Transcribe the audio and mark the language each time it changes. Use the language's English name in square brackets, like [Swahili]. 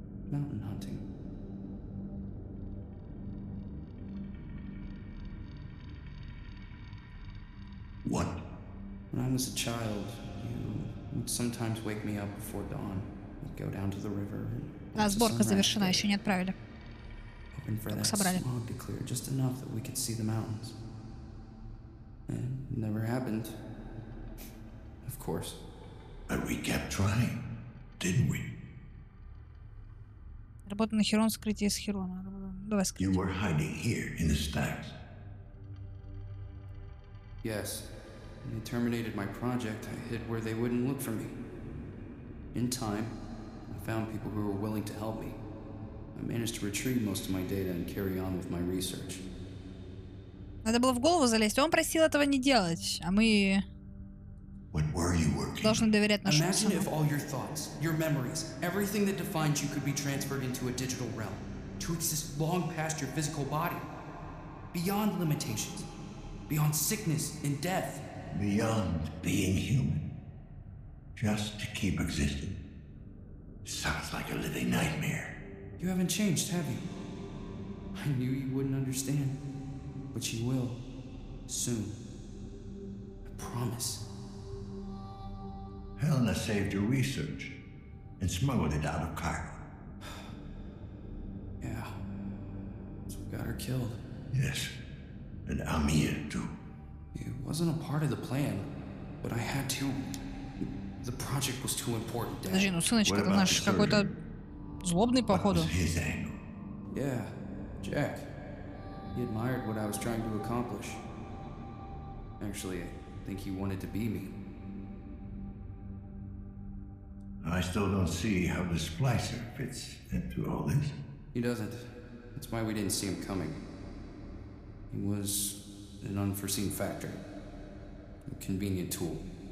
[English] Mountain hunting. What? When I was a child, you would sometimes wake me up before dawn. We'd go down to the river and... [Russian] Да, сборка завершена, еще не отправили. [English] Hoping for [Russian] только собрали. [English] That smog to clear just enough that we could see the mountains. And it never happened. Of course. But we kept trying, didn't we? [Russian] Работа на Хирон, скрытие с Хирона. Давай скрытие. [English] You were hiding here in the stacks. Yes. When they terminated my project, I hid where they wouldn't look for me. In time, I found people who were willing to help me. I managed to retrieve most of my data and carry on with my research. [Russian] Надо было в голову залезть. Он просил этого не делать, а мы... [English] When were you working? [Russian] Должны доверять нашим [English] Imagine if all your thoughts, your memories, everything that defines you could be transferred into a digital realm, to exist long past your physical body, beyond limitations, beyond sickness and death. Beyond being human. Just to keep existing. Sounds like a living nightmare. You haven't changed, have you? I knew you wouldn't understand. But you will. Soon. I promise. Helena saved your research and smuggled it out of Cairo. Yeah. So we got her killed. Yes. And Amir, too. It wasn't a part of the plan, but I had to. The project was too important, Dad. [Russian] Подожди, ну, сыночка, это наш какой-то злобный, походу. [English] What was his angle? Yeah, Jack. He admired what I was trying to accomplish. Actually, I think he wanted to be me. I still don't see how the splicer fits into all this. He doesn't. That's why we didn't see him coming. He was an unforeseen factor. A convenient tool.